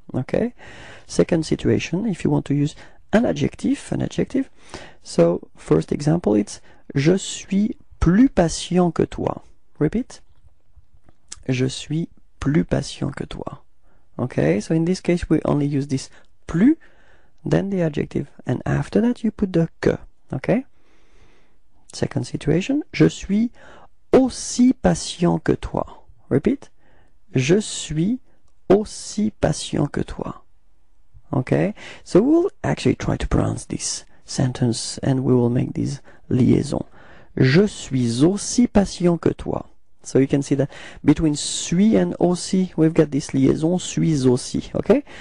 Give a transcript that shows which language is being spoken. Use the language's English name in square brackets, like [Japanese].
[English] Okay, second situation, if you want to use an adjective, so first example, it's [French] je suis plus patient que toi. [English] Repeat, [French] je suis plus patient que toi. [English] Okay, so in this case, we only use this plus, then the adjective, and after that you put the que. Okay, second situation, [French] je suis aussi patient que toi. [English] Repeat, [French] je suis aussi patient que toi. [English] Okay, so we'll actually try to pronounce this sentence and we will make this liaison. [French] Je suis aussi patient que toi. [English] So you can see that between suis and aussi, we've got this liaison, suis aussi, okay?